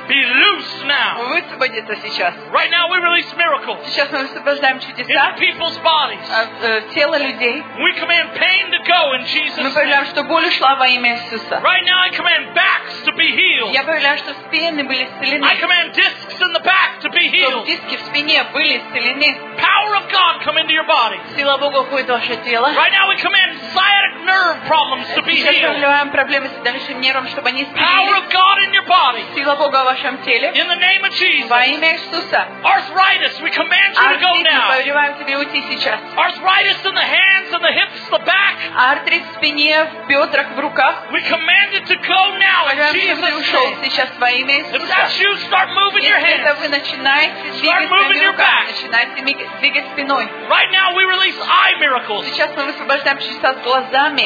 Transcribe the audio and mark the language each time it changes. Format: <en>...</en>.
<en>be loose now.</en> <ru>Высвободится сейчас.</ru> <en>Right now we release miracles.</en> <ru>Сейчас мы высвобождаем чудеса.</ru> <en>In people's bodies.</en> <ru>Тело людей.</ru> <en>We command pain to go in Jesus' name.</en> <ru>Мы повелеваем, что боль ушла во имя Иисуса.</ru> <en>Right now I command backs to be healed.</en> <ru>Я повелеваю, что спины были исцелены.</ru> <en>I command discs in the back to be healed.</en> <ru>Диски в спине были исцелены.</ru> <en>Power of God come into your body.</en> <ru>Сила Бога входит в ваше тело.</ru> <en>Right now we command sciatic nerve problems to be healed.</en> <ru>Сейчас мы повелеваем проблемы с дальнейшим нервом, чтобы они исцелились.</ru> <en>Power of God in your body.</en> <ru>Сила Бога в вашем теле.</ru> <en>In the name of Jesus.</en> <ru>Во имя Иисуса.</ru> <en>Arthritis, we command you to go now.</en> <ru>Артрит, мы повелеваем тебе уйти сейчас.</ru> <en>Arthritis in the hands, in the hips, the back.</en> <ru>Артрит в спине, в бедрах, в руках.</ru> <en>We command it to go now in Jesus' name.</en> <ru>Сейчас во имя Иисуса.</ru> <en>If that's you, start moving your hands.</en> <ru>Если это вы, начинайте двигать руками. Начинайте двигать спиной.</ru> <en>Right now we release eye miracles.</en> <ru>Сейчас мы высвобождаем чудеса с глазами.</ru>